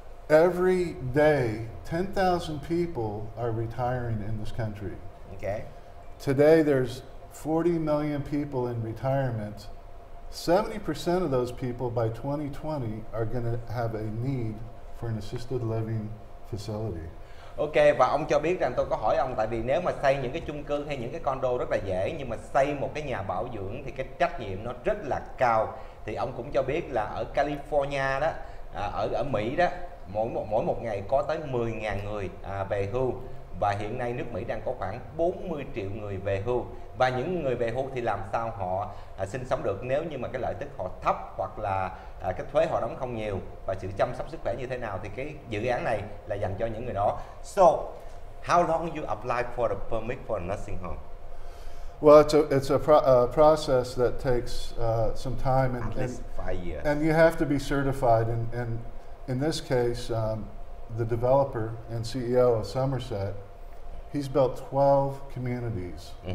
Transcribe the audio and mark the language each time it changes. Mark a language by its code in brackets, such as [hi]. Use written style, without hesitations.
[en] Every day, 10,000 people are retiring in this country. Okay. Today, there's 40 million people in retirement. 70% of those people by 2020 are going to have a need for an assisted living facility. [vi] Ok, và ông cho biết rằng tôi có hỏi ông tại vì nếu mà xây những cái chung cư hay những cái condo rất là dễ, nhưng mà xây một cái nhà bảo dưỡng thì cái trách nhiệm nó rất là cao. Thì ông cũng cho biết là ở California đó, ở Mỹ đó, mỗi một ngày có tới 10.000 người về hưu. Và hiện nay nước Mỹ đang có khoảng 40 triệu người về hưu. Và những người về hưu thì làm sao họ sinh sống được nếu như mà cái lợi tức họ thấp hoặc là cái thuế họ đóng không nhiều và sự chăm sóc sức khỏe như thế nào, thì cái dự án này là dành cho những người đó. [en] So, how long you apply for the permit for a nursing home? Well, it's a process that takes some time. And, at least 5 years. And you have to be certified. And in this case, the developer and CEO of Somerset, he's built 12 communities, mm-hmm.